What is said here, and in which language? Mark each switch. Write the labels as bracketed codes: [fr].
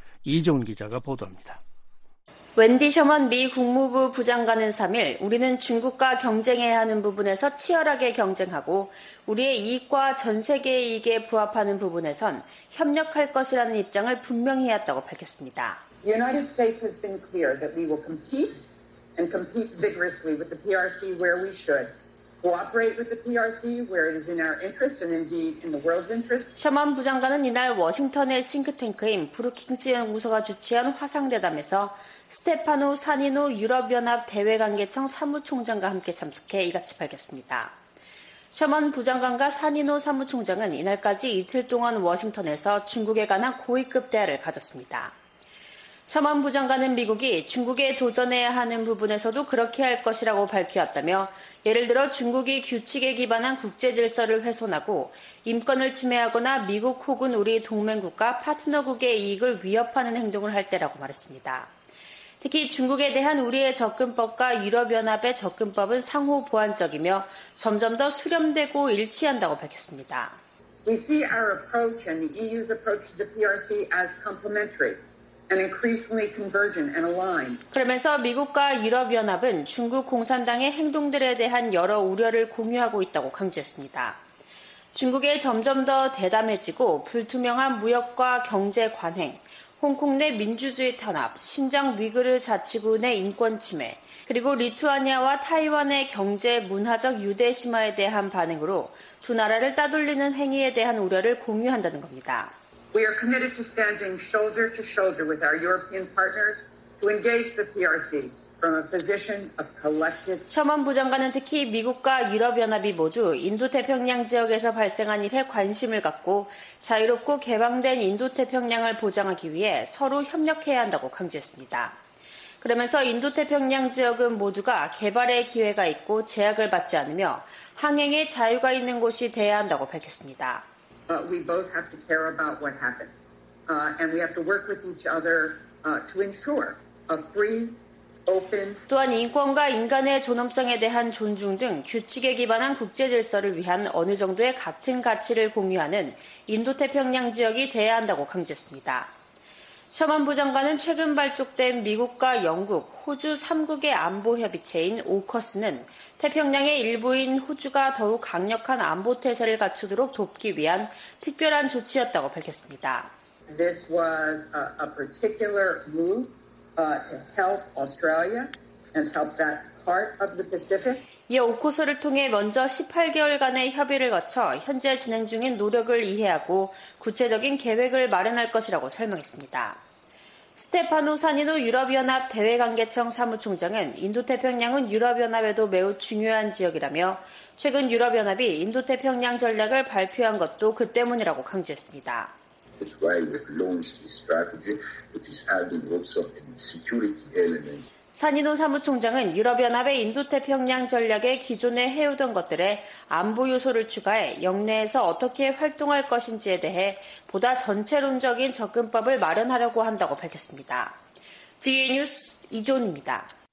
[ko] 이종 기자가 보도합니다. 웬디 셔먼 미 국무부 부장관은 3일 우리는 중국과 경쟁해야 하는 부분에서 치열하게 경쟁하고 우리의 이익과 전 세계의 이익에 부합하는 부분에선 협력할 것이라는 입장을 분명히 했다고 밝혔습니다. [en] United States has been clear that we will compete and compete vigorously with the PRC where we should. Cooperate with the PRC where it is in our interest and indeed in the world's interest. [ko] 셔먼 부장관은 이날 워싱턴의 싱크탱크인 브루킹스 연구소가 주최한 화상대담에서 스테파노 산이노 유럽연합 대외관계청 사무총장과 함께 참석해 이같이 밝혔습니다. 셔먼 부장관과 산이노 사무총장은 이날까지 이틀 동안 워싱턴에서 중국에 관한 고위급 대화를 가졌습니다. 셔먼 부장관은 미국이 중국에 도전해야 하는 부분에서도 그렇게 할 것이라고 밝혀왔다며 예를 들어 중국이 규칙에 기반한 국제질서를 훼손하고 인권을 침해하거나 미국 혹은 우리 동맹국과 파트너국의 이익을 위협하는 행동을 할 때라고 말했습니다. 특히 중국에 대한 우리의 접근법과 유럽연합의 접근법은 상호 보완적이며 점점 더 수렴되고 일치한다고 밝혔습니다. [en] We see our approach and the EU's approach to the PRC as complementary and increasingly convergent and aligned. [ko] 그러면서 미국과 유럽연합은 중국 공산당의 행동들에 대한 여러 우려를 공유하고 있다고 강조했습니다. 중국의 점점 더 대담해지고 불투명한 무역과 경제 관행, 홍콩 내 민주주의 탄압, 신장 위그르 자치구 내 인권 침해, 그리고 리투아니아와 타이완의 경제 문화적 유대 심화에 대한 반응으로 두 나라를 따돌리는 행위에 대한 우려를 공유한다는 겁니다. [en] We are committed to standing shoulder to shoulder with our European partners to engage the PRC from a position of collective. [ko] 셔먼 부장관은 특히 미국과 유럽 연합이 모두 인도태평양 지역에서 발생한 일에 관심을 갖고 자유롭고 개방된 인도태평양을 보장하기 위해 서로 협력해야 한다고 강조했습니다. 그러면서 인도태평양 지역은 모두가 개발의 기회가 있고 제약을 받지 않으며 항행의 자유가 있는 곳이 돼야 한다고 밝혔습니다. [en] We both have to care about what happens. And we have to work with each other to ensure a free, open. [ko] 또한 인권과 인간의 존엄성에 대한 존중 등 규칙에 기반한 국제 질서를 위한 어느 정도의 같은 가치를 공유하는 인도태평양 지역이 돼야 한다고 강조했습니다. 셔먼 부장관은 최근 발족된 미국과 영국, 호주 3국의 안보협의체인 오커스는 태평양의 일부인 호주가 더욱 강력한 안보태세를 갖추도록 돕기 위한 특별한 조치였다고 밝혔습니다. [en] This was a particular move to help Australia and help that part of the Pacific. [ko] 이 오커스를 통해 먼저 18개월간의 협의를 거쳐 현재 진행 중인 노력을 이해하고 구체적인 계획을 마련할 것이라고 설명했습니다. 스테파노 산이노 유럽연합 대외관계청 사무총장은 인도태평양은 유럽연합에도 매우 중요한 지역이라며 최근 유럽연합이 인도태평양 전략을 발표한 것도 그 때문이라고 강조했습니다. [en] That's why we launched this strategy, which is adding also a security element. [ko] 산이노 사무총장은 유럽연합의 인도태평양 전략에 기존에 해오던 것들에 안보 요소를 추가해 영내에서 어떻게 활동할 것인지에 대해 보다 전체론적인 접근법을 마련하려고 한다고 밝혔습니다. VN 뉴스 이존입니다.